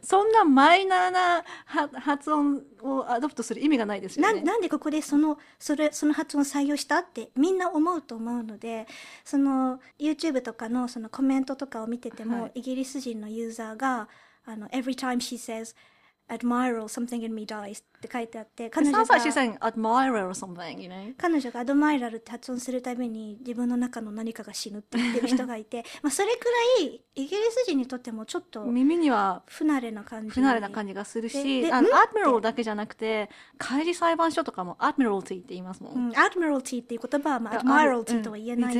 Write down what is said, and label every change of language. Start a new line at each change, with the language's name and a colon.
Japanese: そんなマイナーな発音をアドプトする意味がないですよね。なんでここでその発音を採用したってみんな思うと思うので、その YouTube とかのそのコメントとかを見てても、はい、イギリス人のユーザーが、
English: Every time she says admiral something in me dies
Japanese: って書いてあって、彼女が、
English: It sounds like she's saying admiral or something, you know?
Japanese: 彼女がアドマイラルって発音するたびに自分の中の何かが死ぬって言ってる人がいて、まあそれくらいイギリス人にとってもちょっと耳には不慣れな感じ、不慣れな感じがするし、admiral だけじゃなくて海事裁判所とかも admiralty って言いますもん。うん、admiralty っていう言葉はまあ admiralty とは言えないし、